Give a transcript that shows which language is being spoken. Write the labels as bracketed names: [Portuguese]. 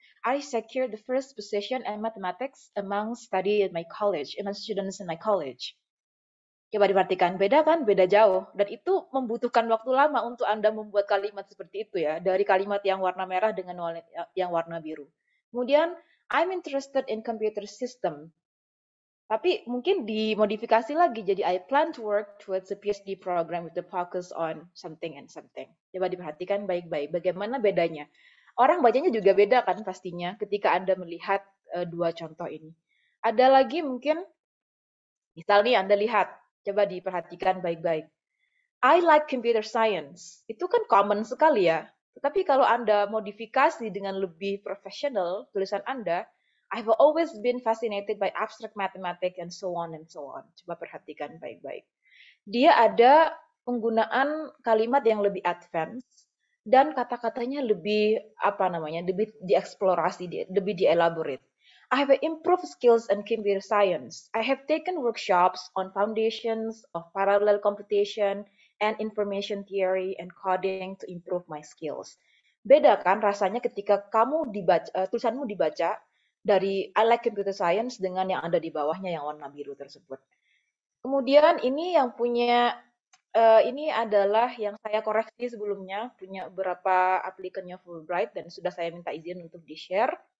[English] I secured the first position in mathematics among study in my college, among students in my college. [Indonesian] Coba diperhatikan, beda kan? Beda jauh. Dan itu membutuhkan waktu lama untuk Anda membuat kalimat seperti itu ya, dari kalimat yang warna merah dengan yang warna biru. [English] Kemudian, I'm interested in computer system. [Indonesian] Tapi mungkin dimodifikasi lagi, jadi [English] I plan to work towards a PhD program with a focus on something and something. [Indonesian] Coba diperhatikan baik-baik, bagaimana bedanya? Orang bacanya juga beda kan pastinya ketika Anda melihat dua contoh ini. Ada lagi mungkin, misalnya Anda lihat, coba diperhatikan baik-baik. [English] I like computer science. [Indonesian] Itu kan common sekali ya. Tetapi kalau Anda modifikasi dengan lebih profesional tulisan Anda, [English] I've always been fascinated by abstract mathematics and so on and so on. [Indonesian] Coba perhatikan baik-baik. Dia ada penggunaan kalimat yang lebih advance, dan kata-katanya lebih apa namanya, lebih dieksplorasi, lebih dielaborate. [English] I have improved skills in computer science. I have taken workshops on foundations of parallel computation and information theory and coding to improve my skills. [Indonesian] Beda kan rasanya ketika kamu dibaca, tulisanmu dibaca dari [English] I like computer science [Indonesian] dengan yang ada di bawahnya yang warna biru tersebut. Kemudian ini yang punya ini adalah yang saya koreksi sebelumnya, punya beberapa aplikannya Fulbright dan sudah saya minta izin untuk di-share.